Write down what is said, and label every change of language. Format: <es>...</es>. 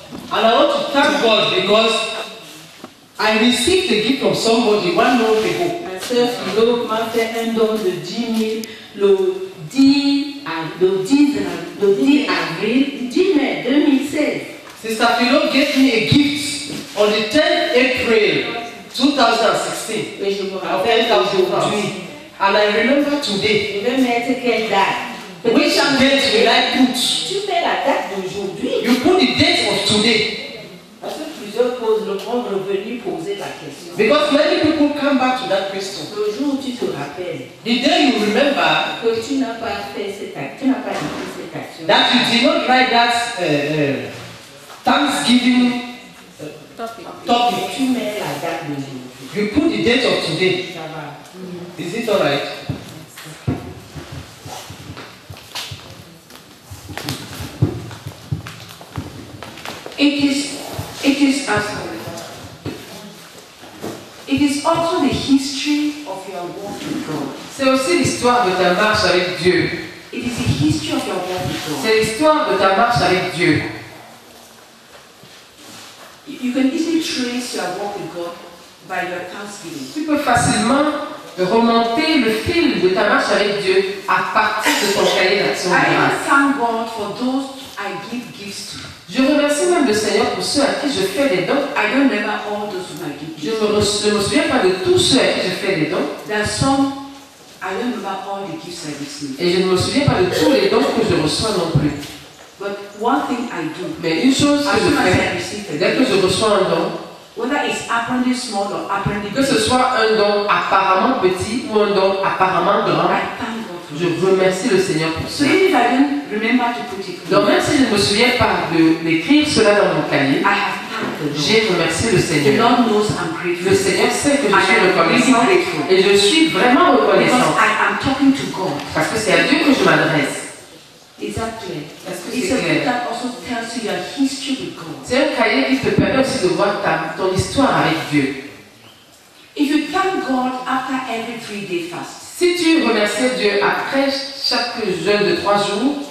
<en>And I want to thank God because I received the gift from somebody, one more people.</en> <fr>Ma soeur Philo m'a fait un don de 10 000 le 10 mai 2016.</fr> <en>Sister Philo gave me a gift on the 10th April 2016.</en> <fr>Et je me rappelle</fr> <en>aujourd'hui. And I remember today.</en> <fr>Je vais mettre quelle date.</fr> <en>Which date will I put?</en> <fr>Tu fais la date d'aujourd'hui.</fr> <en>You put the date of today.</en> <fr>Parce que plusieurs poses le monde revenu poser la question.</fr> <en>Because many people come back to that question.</en> <fr>Le jour où tu te rappelles.</fr> <en>The day you remember.</en> <fr>Que tu n'as pas fait cette action. Tu n'as pas dit cette action.</fr> <en>That you did not write that Thanksgiving topic.</en> <fr>Tu mets la date d'aujourd'hui.</fr> <en>You put the date of today.</en> <fr>Ça va.</fr> <en>Is it all right? It is as it is also the history of your walk with God.</en> <fr>C'est aussi l'histoire de ta marche avec Dieu.</fr> <en>It is the history of your walk with God.</en> <fr>C'est l'histoire de ta marche avec Dieu.</fr> <en>You can easily trace your walk with God by your thanksgiving.</en> <fr>Tu peux facilement remonter le fil de ta marche avec Dieu à partir de ton cahier d'action.</fr> <en>I thank God for those I give gifts to.</en> <fr>Je remercie même le Seigneur pour ceux à qui je fais des dons.</fr> <en>I don't remember all those who give.</en> <fr>Je ne me souviens pas de tous ceux à qui je fais des dons.</fr> <en>There are some I don't remember all the gifts I receive.</en> <fr>Et je ne me souviens pas de tous les dons que je reçois non plus.</fr> <en>But one thing I do.</en> <fr>Mais une chose que je fais, dès que je reçois un don,</fr> <en>whether it's apparently small or apparently</en> <fr>que ce soit un don apparemment petit ou un don apparemment grand. Je remercie le Seigneur pour</fr> <en>so</en> <fr>ça.</fr> <en>If I didn't remember to put it.</en> <fr>Donc même si je ne me souviens pas de m'écrire cela dans mon cahier,</fr> <en>I have thanked</en> <fr>j'ai remercié le Seigneur.</fr> <en>The Lord knows I'm grateful.</en> <fr>Le Seigneur sait que je</fr> <en>I</en> <fr>suis reconnaissant.</fr> <en>Really</en> <fr>et je suis vraiment reconnaissant.</fr> <en>Because I am talking to God.</en> <fr>Parce que c'est à Dieu que je m'adresse.</fr> <en>Exactly.</en> <fr>C'est un cahier qui te permet aussi de voir ton histoire avec Dieu.</fr> <en>If you thank God after every 3-day fast.</en> <fr>Si tu remercies Dieu après chaque jeûne de 3 jours,</fr>